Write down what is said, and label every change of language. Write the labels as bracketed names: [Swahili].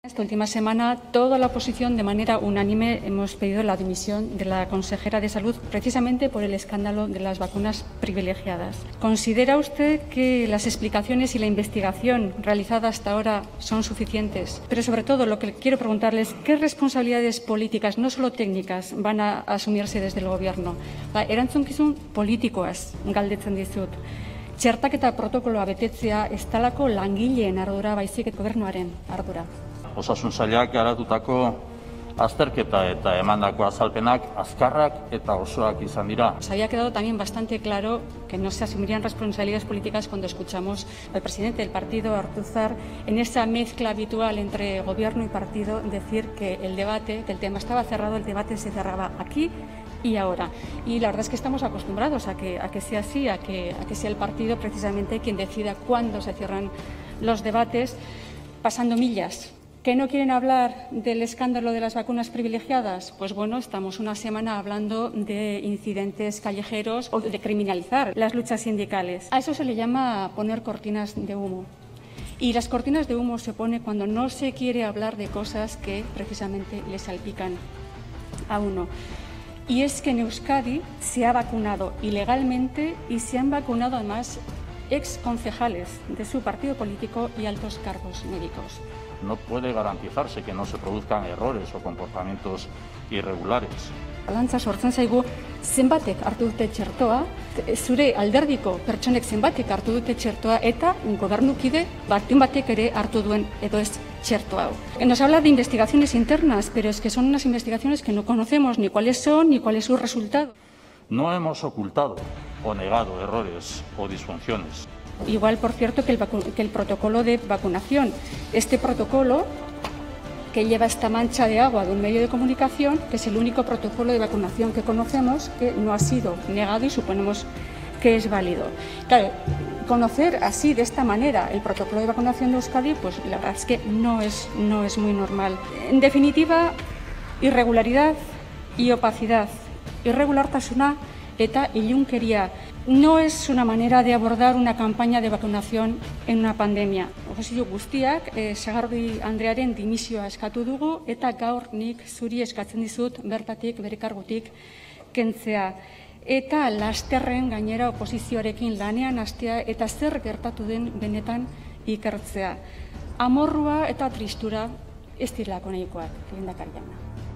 [Spanish] esta última semana, toda la oposición, de manera unánime, hemos pedido la dimisión de la consejera de Salud precisamente por el escándalo de las vacunas privilegiadas. ¿Considera usted que las explicaciones y la investigación realizada hasta ahora son suficientes? Pero, sobre todo, lo que quiero preguntarle es qué responsabilidades políticas, no solo técnicas, van a asumirse desde el Gobierno. [Basque] Erantzunkizun politikoaz galdetzen dizut. Txertaketa protokoloa betetzea ez talako langileen ardura baizik eta gobernuaren ardura. Osasun sailak garatutako azterketa eta emandako azalpenak azkarrak eta osoak izan dira. [Spanish] Se había quedado también bastante claro que no se asumirían responsabilidades políticas cuando escuchamos al presidente del partido, Ortuzar, en esa mezcla habitual entre gobierno y partido, decir que el debate, que el tema estaba cerrado, el debate se cerraba aquí y ahora. Y la verdad es que estamos acostumbrados a que sea así, a que sea el partido precisamente quien decida cuándo se cierran los debates, pasando millas. ¿Que no quieren hablar del escándalo de las vacunas privilegiadas? Pues bueno, estamos una semana hablando de incidentes callejeros o de criminalizar las luchas sindicales. A eso se le llama poner cortinas de humo. Y las cortinas de humo se pone cuando no se quiere hablar de cosas que precisamente le salpican a uno. Y es que en Euskadi se ha vacunado ilegalmente y se han vacunado además ex concejales de su partido político y altos cargos médicos. No puede garantizarse que no se produzcan errores o comportamientos irregulares. [Basque] Alantza sortzen zaigu, zenbatek hartu dute txertoa, zure alderdiko pertsonek zenbatek hartu dute txertoa eta gobernukide batun batek ere hartu duen edo ez txertoa. [Spanish] Nos habla de investigaciones internas, pero es que son unas investigaciones que no conocemos ni cuáles son ni cuál es su resultado. No hemos ocultado o negado errores o disfunciones. Igual, por cierto, que el protocolo de vacunación. Este protocolo que lleva esta mancha de agua de un medio de comunicación, que es el único protocolo de vacunación que conocemos, que no ha sido negado y suponemos que es válido. Claro, conocer así, de esta manera, el protocolo de vacunación de Euskadi, pues la verdad es que no es muy normal. En definitiva, irregularidad y opacidad. [Basque] Irregulartasuna eta ilunkeria. [Spanish] No es una manera de abordar una campaña de vacunación en una pandemia. [Basque] Oposizio guztiak, Sagardui Andrearen dimisioa eskatu dugu, eta gaur nik zuri eskatzen dizut bertatik, bere kargutik kentzea. Eta lasterren gainera oposizioarekin lanean hastea eta zer gertatu den benetan ikertzea. Amorrua eta tristura ez direlako nahikoak, lehendakari jauna.